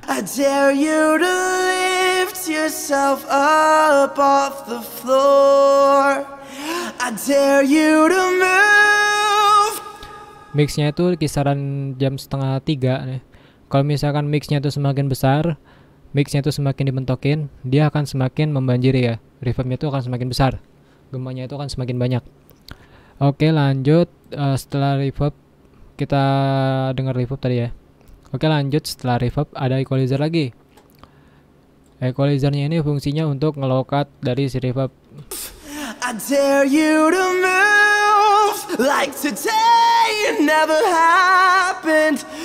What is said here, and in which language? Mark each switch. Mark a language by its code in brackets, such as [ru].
[en] I dare you to lift yourself up off the floor. I dare you to move. [id] mixnya itu kisaran jam setengah tiga nih. Kalau misalkan mixnya itu semakin besar, mixnya itu semakin dibentokin, dia akan semakin membanjiri ya. Reverbnya itu akan semakin besar, gemanya itu akan semakin banyak. Oke, lanjut setelah reverb kita dengar reverb tadi ya. Oke, lanjut setelah reverb ada equalizer lagi. Equalizernya ini fungsinya untuk ngelokat dari si reverb. [en] I dare you to move like today it never happened.